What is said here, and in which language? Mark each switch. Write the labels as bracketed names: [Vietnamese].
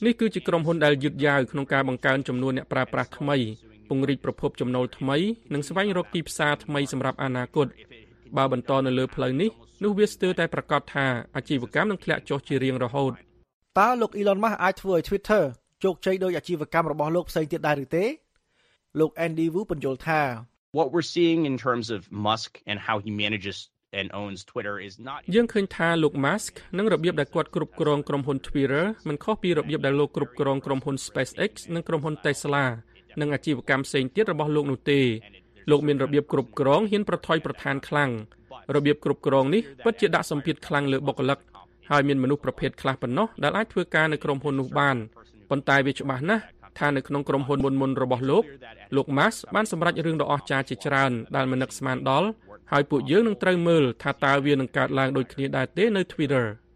[Khmer] នេះគឺជាក្រុមហ៊ុនដែលយឺតយ៉ាវក្នុងការបង្កើនចំនួនអ្នកប្រើប្រាស់ថ្មីពង្រីកប្រភពចំណូលថ្មីនិងស្វែងរកទីផ្សារថ្មីសម្រាប់អនាគតបើបន្តនៅលើផ្លូវនេះនោះវាស្ទើរតែប្រកាសថាអាជីវកម្មនឹងធ្លាក់ចុះជារៀងរហូត តើលោក Elon Musk អាចធ្វើឲ្យ Twitter ជោគជ័យដោយអាជីវកម្មរបស់លោកផ្សេងទៀតដែរឬទេលោក Andy Wu ពន្យល់ថា [English] What we're seeing in terms of Musk and how he manages and owns Twitter is not [Khmer] យើងឃើញថាលោក Musk និងរបៀបដែលគាត់គ្រប់គ្រងក្រុមហ៊ុន Twitter មិនខុសពីរបៀបដែលលោកគ្រប់គ្រងក្រុមហ៊ុន SpaceX និងក្រុមហ៊ុន Tesla និងអាជីវកម្មផ្សេងទៀតរបស់លោកនោះទេ លោកមានរបៀបគ្រប់គ្រងហ៊ានប្រថុយប្រឋានខ្លាំងរបៀបគ្រប់គ្រងនេះពិតជាដាក់សម្ពាធខ្លាំងលើបុគ្គលិកហើយមានមនុស្សប្រភេទខ្លះប៉ុណ្ណោះដែលអាចធ្វើការនៅក្រុមហ៊ុននោះបានប៉ុន្តែវាច្បាស់ណាស់ថានៅក្នុងក្រុមហ៊ុនមុនរបស់លោក Musk បានសម្រេចរឿងដ៏អស្ចារ្យជាច្រើនដែលមិននឹកស្មានដល់ហើយពួកយើងនឹងត្រូវមើលថាតើវានឹងកើតឡើងដូចគ្នាដែរទេនៅ Twitter